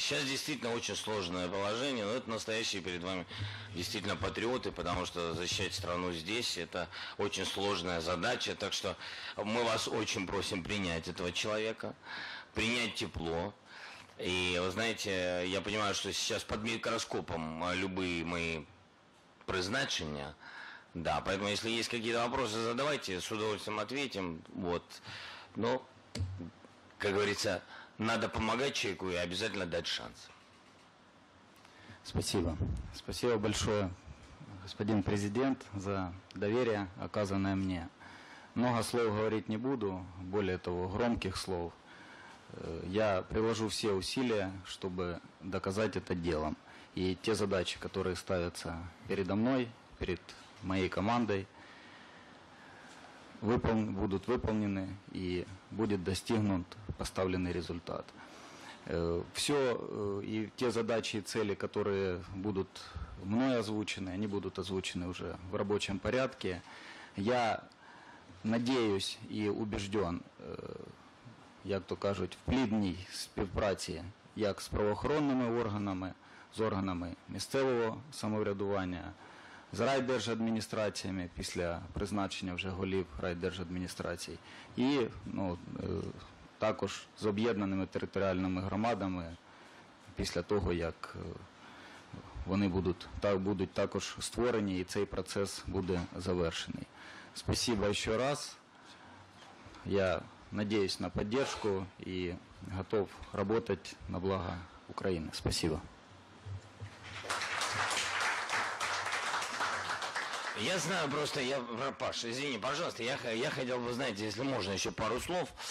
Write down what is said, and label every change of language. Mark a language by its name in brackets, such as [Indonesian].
[Ukrainian] Зараз дійсно дуже складне положення, але це настоящие перед вами дійсно патріоти, тому що захищати [Russian] страну здесь [Ukrainian] – це дуже складна задача. Так що ми вас дуже просимо прийняти цього чоловіка, прийняти тепло. І ви знаєте, я розумію, що зараз під мікроскопом любые мої призначення. [Russian] Да, поэтому если есть какие-то вопросы, задавайте, с удовольствием ответим. Вот. Но, как говорится, надо помогать человеку и обязательно дать шанс. Спасибо. Спасибо большое, господин президент, за доверие, оказанное мне. Много слов говорить не буду, более того, громких слов. Я приложу все усилия, чтобы доказать это делом. И те задачи, которые ставятся передо мной, перед моей командой, будут выполнены и будет достигнут поставленный результат. Все и те задачи и цели, которые будут мной озвучены, они будут озвучены уже в рабочем порядке. Я надеюсь и убежден, [Ukrainian] как то кажуть, в плідній співпраці, як [Russian] с правоохранными органами, с органами местного [Ukrainian] самоврядування, з райдержадміністраціями, після призначення вже голів райдержадміністрацій, і ну, також з об'єднаними територіальними громадами, після того, як вони будуть також створені, і цей процес буде завершений. [Russian] Спасибо еще раз. Я надеюсь на поддержку и готов работать на благо Украины. Спасибо. Я знаю, просто я, Паш, извини, пожалуйста, я хотел бы, знаете, если можно, еще пару слов.